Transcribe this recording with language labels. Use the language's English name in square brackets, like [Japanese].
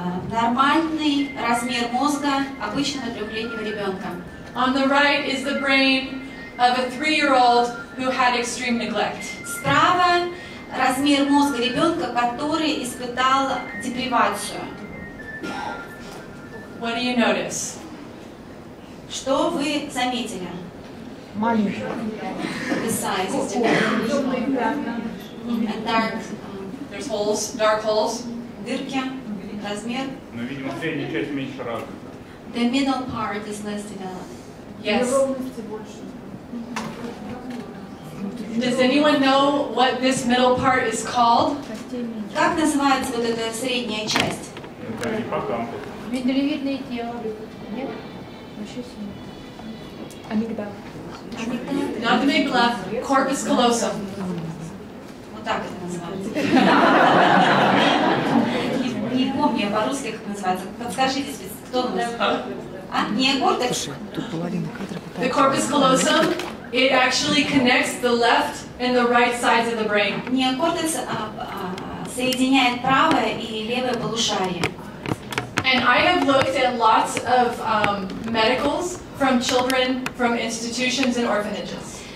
[Russian] Нормальный размер мозга обычного трехлетнего ребенка. [English] On the right is the brain of a three-year-old who had extreme neglect. [Russian] Справа размер мозга ребенка, который испытал депривацию. [English] What do you notice? [Russian] Что вы заметили? [English] The size is different. Dark. There's holes, dark holes. [Russian] Дырки, размер. Но видимо средняя часть меньше развита. [English] The middle part is less developed. Yes. Does anyone know what this middle part is called? [Russian] Как называется вот эта средняя часть? Это гиппокамп. Бедревидное тело. Нет? Амигдала. [English] Not the big left, corpus callosum. [Russian] Вот так это называется. Не помню, по-русски как называется. Подскажите, кто у нас? А, не гортекс? Слушай, тут половина кадра пытается. [English] The corpus callosum, it actually connects the left and the right sides of the brain. [Russian] Не кортекс соединяет правое и левое полушарие. [English] And I have looked at lots of medicals from children, from institutions and orphanages.